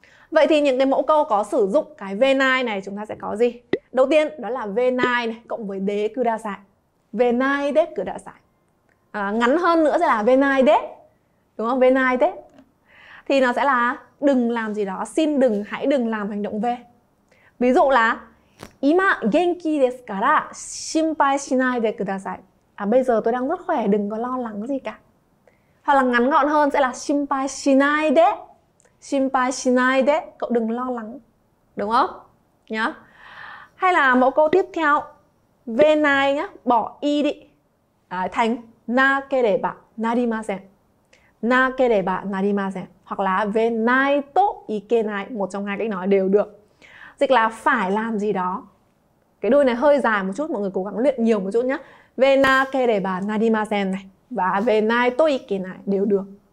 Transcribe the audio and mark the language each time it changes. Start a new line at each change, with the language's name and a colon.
Vietnamese: Vậy thì những cái mẫu câu có sử dụng cái V9 này chúng ta sẽ có gì? Đầu tiên đó là V9 này cộng với đế cư đa sải. V9 đế cư đa sải. Ngắn hơn nữa sẽ là V9 đế. Đúng không? V9 đế. Thì nó sẽ là đừng làm gì đó, xin đừng, hãy đừng làm hành động V. Ví dụ là
Japanese: 今元気ですから心配しないでください.
Vietnamese: À, bây giờ tôi đang rất khỏe, đừng có lo lắng gì cả. Hoặc là ngắn gọn hơn sẽ là
Japanese: 心配しないで. 心配しないで,
Vietnamese: cậu đừng lo lắng. Đúng không? Nhá. Hay là mẫu câu tiếp theo. Về này nhá, bỏ y đi. À, thành
Japanese: なければなりません. なければなりません.
Vietnamese: Hoặc là về này tốt ý kê này, một trong hai cách nói đều được. Dịch là phải làm gì đó. Cái đuôi này hơi dài một chút, mọi người cố gắng luyện nhiều một chút nhé. Về na kê để bà na di ma sen này và về nai tôi kê này đều được.